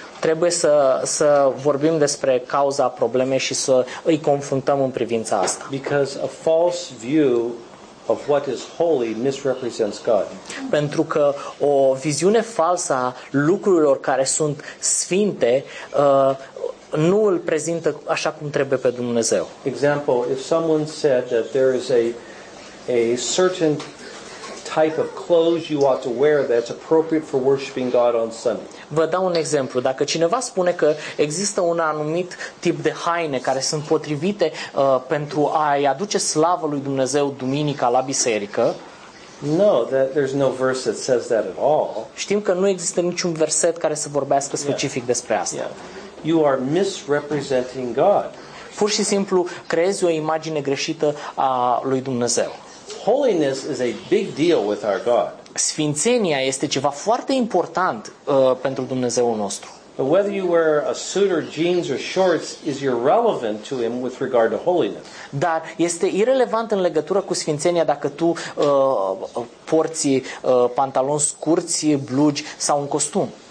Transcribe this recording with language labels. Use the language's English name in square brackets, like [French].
[Romanian] Trebuie să vorbim despre cauza problemei și să îi confruntăm în privința asta. [English] Because a false view of what is holy misrepresents God. [Romanian] Pentru că o viziune falsă a lucrurilor care sunt sfinte nu îl prezintă așa cum trebuie pe Dumnezeu. [English] Example, if someone said that there is a certain type of clothes you ought to wear that's appropriate for worshiping God on Sunday. [Romanian] Vă dau un exemplu. Dacă cineva spune că există un anumit tip de haine care sunt potrivite pentru a-i aduce slavă lui Dumnezeu duminica la biserică. [English] No, that there's no verse that says that at all. [Romanian] Știm că nu există niciun verset care să vorbească specific despre asta. [English] Yeah. You are misrepresenting God. [Romanian] Pur și simplu creezi o imagine greșită a lui Dumnezeu. [English] Holiness is a big deal with our God. [Romanian] Sfințenia este ceva foarte important pentru Dumnezeul nostru. [English] But whether you wear a suit or jeans or shorts is irrelevant to him with regard to holiness. [Romanian] Dar este irelevant în legătură cu sfințenia dacă tu porți pantaloni scurți, blugi sau un costum.